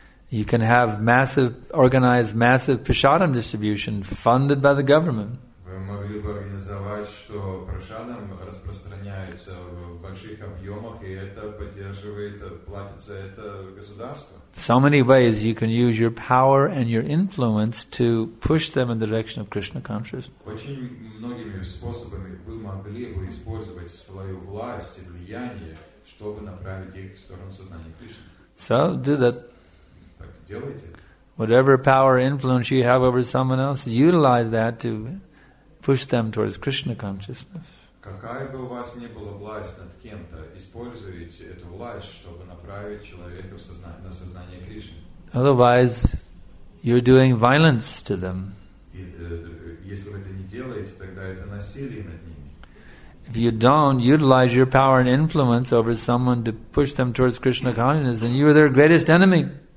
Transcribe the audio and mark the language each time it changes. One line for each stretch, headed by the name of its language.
English: You can have organized massive prasadam distribution funded by the government.
Russian: Вы могли бы организовать, что прасадам распространяется в больших объемах, и это поддерживает, платится это государство.
English: So many ways you can use your power and your influence to push them in the direction of Krishna consciousness.
Russian: Очень многими способами вы могли бы использовать свою власть и влияние, чтобы направить их в сторону сознания Кришны.
English: So do that. Whatever power or influence you have over someone else, utilize that to push them towards Krishna consciousness.
Russian: Какая бы у вас ни была власть над кем-то, используйте эту власть, чтобы направить человека на сознание Кришны.
English: Otherwise, You're doing violence to them. If you don't utilize your power and influence over someone to push them towards Krishna consciousness, then you are their greatest enemy.